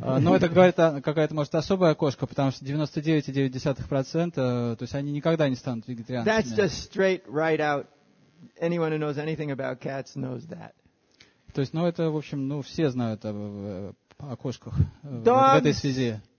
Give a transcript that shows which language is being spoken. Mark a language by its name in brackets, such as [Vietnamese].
[Russian] Ну, это какая-то, может, особая кошка, потому что 99.9%, то есть они никогда не станут вегетарианцами. [English] That's just straight right out. Anyone who knows anything about cats knows that. [Russian] То есть, ну, это, в общем, ну, все знают о кошках в этой связи.